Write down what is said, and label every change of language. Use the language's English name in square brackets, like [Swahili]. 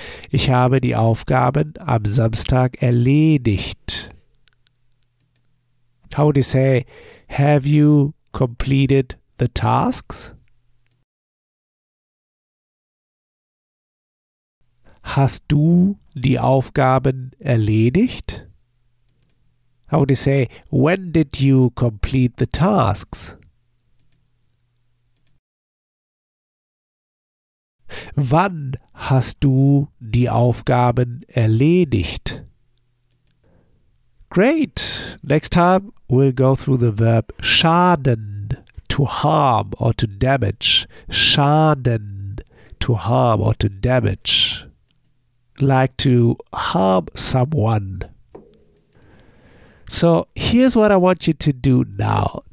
[German] Ich habe die Aufgaben am Samstag erledigt. [English] How would you say, have you completed the tasks? [German] Hast du die Aufgaben erledigt? [English] How would you say, when did you complete the tasks? [German] Wann hast du die Aufgaben erledigt? [English] Great! Next time we'll go through the verb schaden, to harm or to damage. Schaden, to harm or to damage. Like to harm someone. So here's what I want you to do now.